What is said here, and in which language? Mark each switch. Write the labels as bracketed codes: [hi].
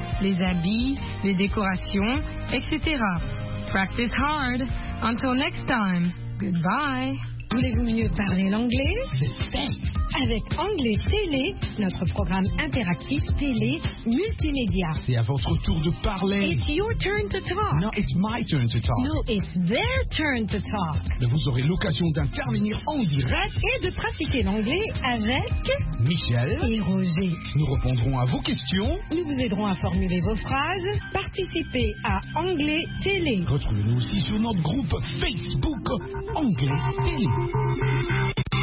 [fr] Les habits, les décorations, etc. [en] Practice hard. Until next time. Goodbye. [fr] Voulez-vous mieux parler l'anglais? J'espère. Avec Anglais Télé, notre programme interactif télé multimédia. C'est à votre tour de parler. [en] It's your turn to talk. No, it's my turn to talk. No, it's their turn to talk. [fr] Mais vous aurez l'occasion d'intervenir en direct et de pratiquer l'anglais avec Michel et Roger. Nous répondrons à vos questions. Nous vous aiderons à formuler vos phrases. Participez à Anglais Télé. Retrouvez-nous aussi sur notre groupe Facebook Anglais Télé.